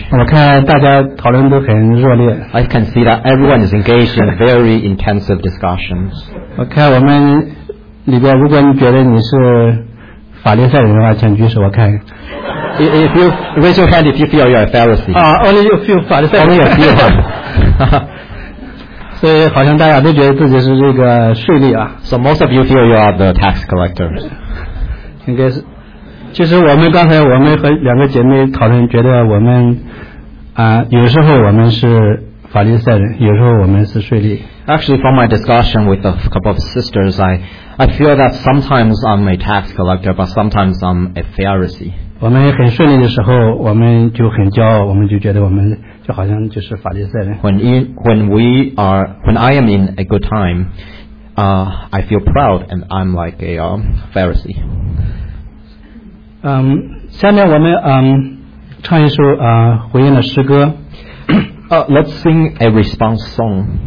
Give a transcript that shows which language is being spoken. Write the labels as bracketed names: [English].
[Chinese] 我看大家讨论都很热烈。 [English] I can see that everyone is engaged in very intensive discussions. [Chinese] 我看我们里边，如果你觉得你是法利赛人的话，请举手，我看。 [English] If you raise your hand if you feel you're a Pharisee. Only a few 法利赛人。 Only a few. 哈哈。 [Chinese] 所以好像大家都觉得自己是这个税吏啊。 [English] So most of you feel you are the tax collector. [Chinese] 应该是。其实我们刚才我们和两个姐妹讨论觉得我们有时候我们是法利赛人有时候我们是税吏 [English] Actually from my discussion with a couple of sisters I feel that sometimes I'm a tax collector but sometimes I'm a Pharisee [Chinese] 我们很顺利的时候我们就很骄傲我们就觉得我们就好像就是法利赛人 [English] When I am in a good time I feel proud and I'm like a Pharisee [Chinese] 下面我们唱一首回应的诗歌。 [English] Let's sing a response song.